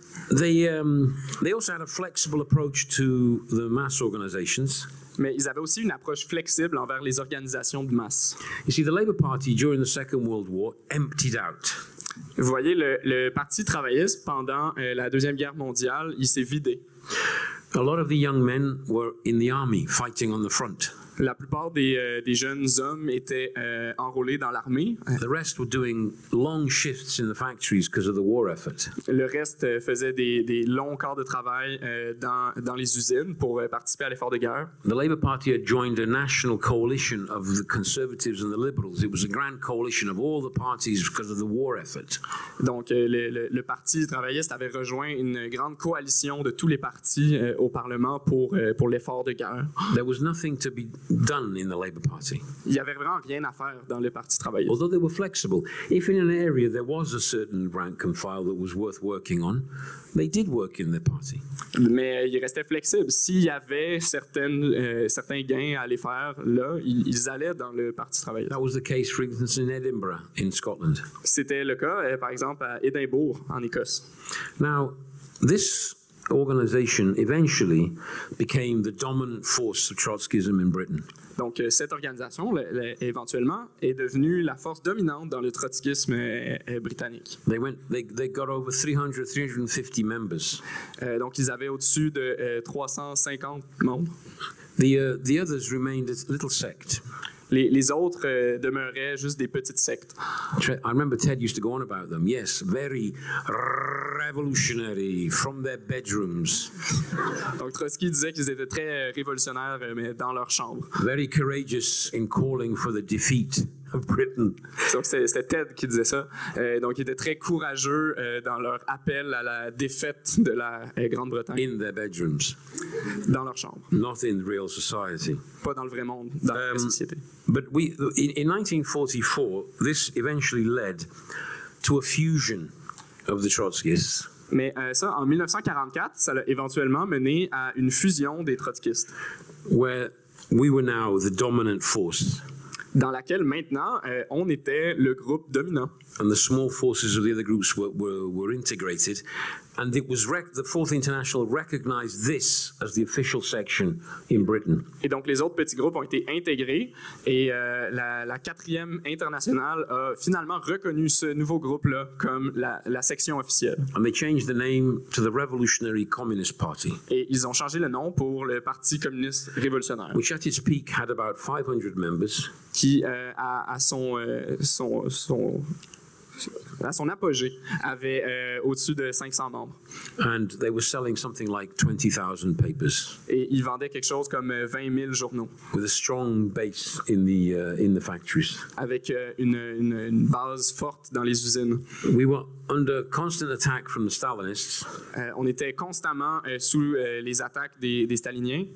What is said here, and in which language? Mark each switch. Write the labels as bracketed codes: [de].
[en] They also had a flexible approach to the mass organizations. [fr] Mais ils avaient aussi une approche flexible envers les organisations de masse. [en] You see, the Labour Party during the Second World War emptied out. [fr] Vous voyez, le Parti travailliste pendant la Deuxième Guerre mondiale, il s'est vidé. [en] A lot of the young men were in the army fighting on the front. [fr] La plupart des jeunes hommes étaient enrôlés dans l'armée. [en] The rest were doing long shifts in the factories because of the war effort. [fr] Le reste faisait des longs quarts de travail dans les usines pour participer à l'effort de guerre. [en] The Labour Party had joined a national coalition of the Conservatives and the Liberals. It was a grand coalition of all the parties because of the war effort. [fr] Donc le Parti travailliste avait rejoint une grande coalition de tous les partis au Parlement pour l'effort de guerre. [en] There was nothing to be done in the Labour Party. [fr] Il y avait vraiment rien à faire dans le Parti travailliste. [en] Although they were flexible, if in an area there was a certain rank and file that was worth working on, they did work in the party. [fr] Mais ils restaient flexibles. S'il y avait certains gains à aller faire là, ils allaient dans le Parti travailliste. [en] That was the case, for instance, in Edinburgh, in Scotland. [fr] C'était le cas, par exemple, à Édimbourg, en Écosse. [en] Now, this organization eventually became the dominant force of Trotskyism in Britain. [fr] Donc cette organisation éventuellement est devenue la force dominante dans le trotskisme britannique. [en] They got over 350 members. [fr] Donc ils avaient au-dessus de 350 membres. [en] The others remained a little sect. [fr] Les autres demeuraient juste des petites sectes. [en] I remember Ted used to go on about them. Yes, very revolutionary from their bedrooms. [fr] Donc Trotsky disait qu'ils étaient très révolutionnaires, mais dans leur chambre. [en] Very courageous in calling for the defeat of Britain. [fr] Donc c'était Ted qui disait ça. Donc ils étaient très courageux dans leur appel à la défaite de la Grande-Bretagne. [en] In their bedrooms. [fr] Dans leur chambre. [en] Not in real society. [fr] Pas dans le vrai monde, dans la société. [en] But in 1944, this eventually led to a fusion of the Trotskyists. [fr] Mais ça, en 1944, ça a éventuellement mené à une fusion des Trotskyistes. [en] Where we were now the dominant force. [fr] Dans laquelle maintenant on était le groupe dominant. [en] And the small forces of the other groups were integrated, and it was the Fourth International recognized this as the official section in Britain. [fr] Et donc les autres petits groupes ont été intégrés et la quatrième internationale a finalement reconnu ce nouveau groupe là comme la section officielle. [en] And they changed the name to the Revolutionary Communist Party. [fr] Et ils ont changé le nom pour le Parti communiste révolutionnaire. [en] Which at its peak had about 500 members. [fr] Qui à son apogée avait au-dessus de 500 membres. [en] And they were selling something like 20,000 papers. [fr] Et ils vendaient quelque chose comme 20 000 journaux. [en] With a strong base in the factories. [fr] Avec une base forte dans les usines. [en] We were under constant attack from the Stalinists. [fr] On était constamment sous les attaques des staliniens.